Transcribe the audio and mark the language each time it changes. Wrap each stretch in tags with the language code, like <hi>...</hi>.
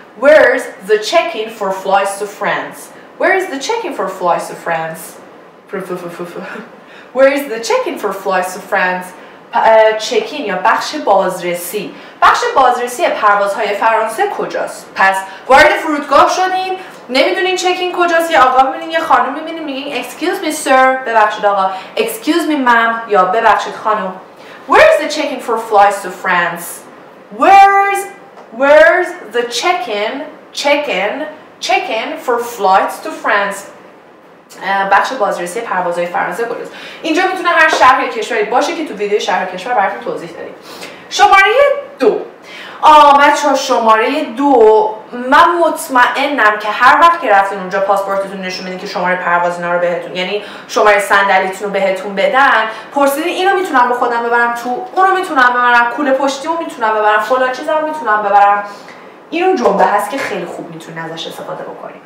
<en>Where's the check-in for flights to France? Where's the check-in for flights to France? Where's the check-in for flights to France?</en> <fa>Check-in یا بخش بازرسی. بخش بازرسی پروازهای فرانسه کجاست؟ پس وارد فرودگاه شدیم، نمیدونین چکین کجاست، یه آقا میبینین یه خانم میبینین میگین</fa> <en>excuse me sir،</en> <fa>ببخشید آقا،</fa> <en>excuse me ma'am،</en> <fa>یا ببخشید خانم.</fa> <en>Where's the check-in for flights to France? Where's the check-in for flights to France?</en> <fa>بخش بازرسی پروازهای فرانسه کجاست؟ اینجا میتونه هر شهر یا کشوری باشه که تو ویدیو شهر کشور براتون توضیح دادیم. شماره دو. بچه شماره دو، من مطمئنم که هر وقت که رفتین اونجا پاسپورتتون نشون بدین که شماره پرواز اینا رو بهتون، یعنی شماره صندلیتون رو بهتون بدن، پرسیدین اینو میتونم با خودم ببرم تو، اونو میتونم ببرم، کوله پشتیمو میتونم ببرم، فلان چیزامو میتونم ببرم، این اون جمله هست که خیلی خوب میتونین ازش استفاده بکنین.</fa>